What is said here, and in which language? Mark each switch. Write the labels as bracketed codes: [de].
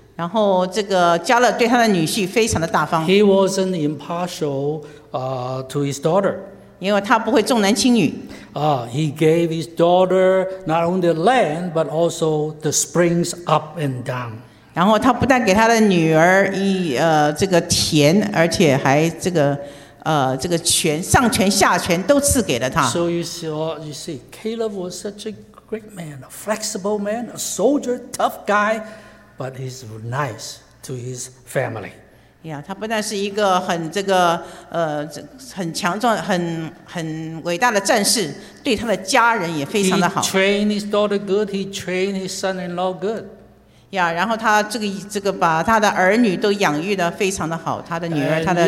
[zh] 然后这个加勒对他的女婿非常的大方。 [en] He wasn't impartial, to his daughter. [zh] 因为他不会重男轻女。 [en] He gave his daughter not only the land but also the springs up and down. [zh] 然后他不但给他的女儿这个田，而且还这个权上权下权都赐给了他。 [en] So you see, Caleb was such a great man, a flexible man, a soldier, tough guy.But he's nice to his family. [zh] 呀，他不但是一个很这个很强壮、很伟大的战士，对他的家人也非常的好。 [en] He trained his daughter good. He trained his son-in-law good. [zh] 呀，然后他这个把他的儿女都养育的非常的好，他的女儿、他的